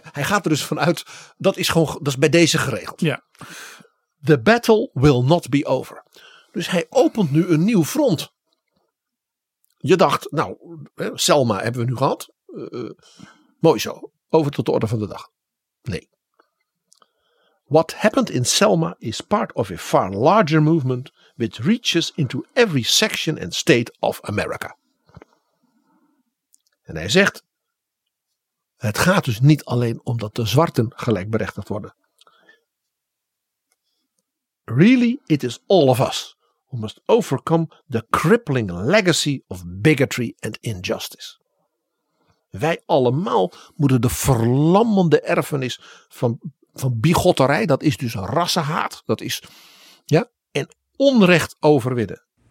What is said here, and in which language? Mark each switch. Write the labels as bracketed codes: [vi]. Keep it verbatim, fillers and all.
[nl] Hij gaat er dus vanuit, dat is gewoon, dat is bij deze geregeld. Ja. [en] The battle will not be over. [nl] Dus hij opent nu een nieuw front. Je dacht, nou, Selma hebben we nu gehad. Uh, mooi zo, over tot de orde van de dag. Nee. [en] What happened in Selma is part of a far larger movement which reaches into every section and state of America. [nl] En hij zegt, het gaat dus niet alleen om dat de zwarten gelijkberechtigd worden. [en] Really, it is all of us who must overcome the crippling legacy of bigotry and injustice. [nl] Wij allemaal moeten de verlammende erfenis van, van bigotterij, dat is dus rassenhaat, dat is, ja, en onrecht overwinnen.